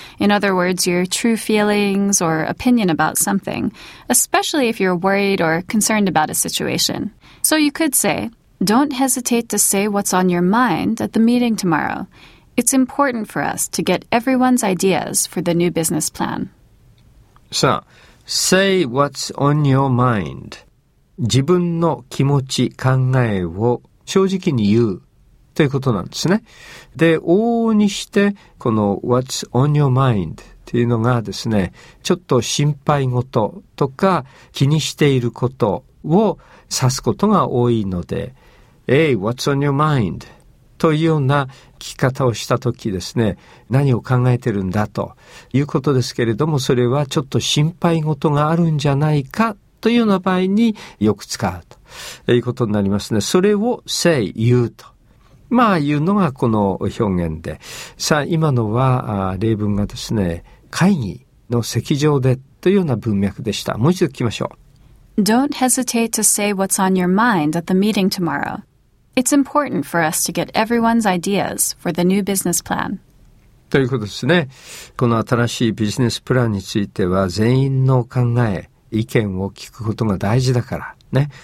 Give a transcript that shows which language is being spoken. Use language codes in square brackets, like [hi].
[en] In other words, your true feelings or opinion about something, especially if you're worried or concerned about a situation. So you could say, don't hesitate to say what's on your mind at the meeting tomorrow. It's important for us to get everyone's ideas for the new business plan. So... Say what's on your mind. [ja] 自分の気持ち、考えを正直に言うということなんですね。で、往々にしてこの what's on your mind っていうのがですね、ちょっと心配事とか気にしていることを指すことが多いので、 [en] Hey, what's on your mind? [ja] というような聞き方をしたときですね、何を考えてるんだということですけれども、それはちょっと心配事があるんじゃないかというような場合によく使うということになりますね。それを say, 言うと。まあ言うのがこの表現で。さあ今のは例文がですね、会議の席上でというような文脈でした。もう一度聞きましょう。 [en] Don't hesitate to say what's on your mind at the meeting tomorrow. It's important for us to get everyone's ideas for the new business plan. [ja] ということですね。この新しいビジネスプランについては全員の考え、意見を聞くことが大事だからね。